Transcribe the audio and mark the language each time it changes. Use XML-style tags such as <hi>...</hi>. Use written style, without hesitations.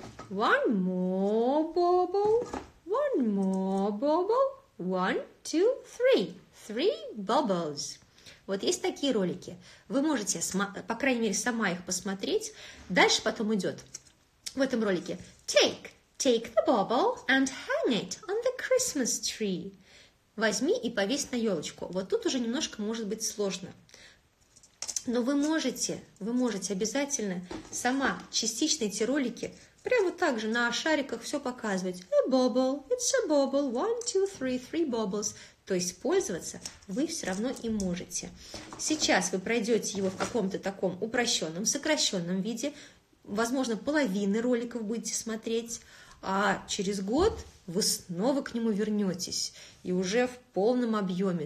<en>One more bubble. One more bubble. One, two, three. Three bubbles.</en> <ru>Вот есть такие ролики. Вы можете, по крайней мере, сама их посмотреть. Дальше потом идет в этом ролике.</ru> <en>Take the bubble and hang it on the Christmas tree.</en> <ru>Возьми и повесь на елочку. Вот тут уже немножко может быть сложно. Но вы можете обязательно сама частично эти ролики прямо так же на шариках все показывать.</ru> <en>A bubble, it's a bubble, one, two, three, three bubbles.</en> <ru>То есть пользоваться вы все равно и можете. Сейчас вы пройдете его в каком-то таком упрощенном, сокращенном виде. Возможно, половины роликов будете смотреть. А через год вы снова к нему вернетесь и уже в полном объеме.</ru>